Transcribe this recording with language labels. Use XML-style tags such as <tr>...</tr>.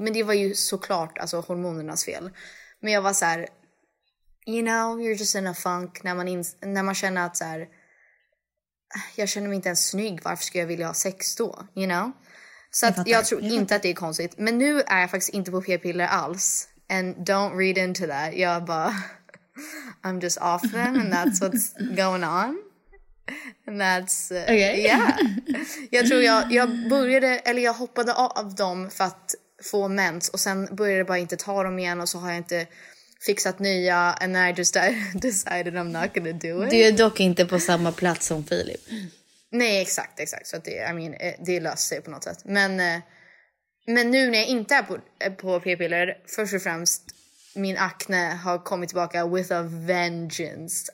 <sv>Men det var ju såklart, alltså, hormonernas fel. Men jag var så här,</sv> <en>you know, you're just in a funk.</en> <sv>När man känner att så här, jag känner mig inte ens snygg, varför ska jag vilja ha sex då?</sv> <en>You know?</en> <sv>Så jag, att jag tror jag inte att det är konstigt. Men nu är jag faktiskt inte på p-piller alls.</sv> <en>And don't read into that.</en> <sv>Jag bara,</sv> <en>I'm just off them and that's what's going on. And that's okay. Yeah.</en> <sv>Jag tror jag hoppade av dem för att få mens, och sen började jag bara inte ta dem igen, och så har jag inte fixat nya,</sv> <en>and I just decided I'm not gonna do it.</en> <sv>Du är dock inte på samma plats som Filip. Nej, exakt. Så att det löser sig på något sätt. Men nu när jag inte är på p-piller, först och främst, min akne har kommit tillbaka</sv> <en>with a vengeance.</en>